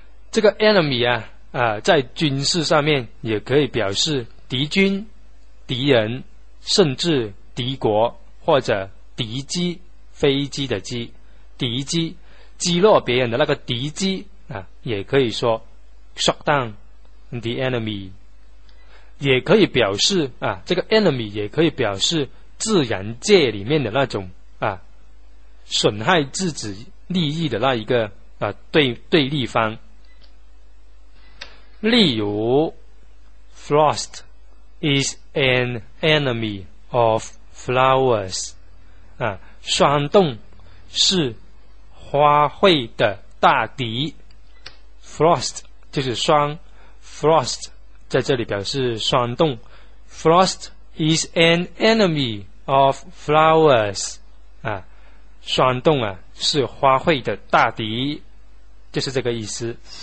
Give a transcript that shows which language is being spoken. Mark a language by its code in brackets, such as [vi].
[zh] 这个 enemy 啊，在军事上面也可以表示敌军、敌人，甚至敌国或者敌机、飞机的机，敌机击落别人的那个敌机啊，也可以说 [en] shot down the enemy， [zh] 也可以表示啊，这个 enemy 也可以表示自然界里面的那种啊，损害自己利益的那一个啊，对立方。例如 [en] Frost is an enemy of flowers [zh] 啊，霜冻是花卉的大敌。 Frost 就是霜， Frost 在这里表示霜冻。 [en] Frost is an enemy of flowers [zh] 啊，霜冻啊是花卉的大敌，就是这个意思。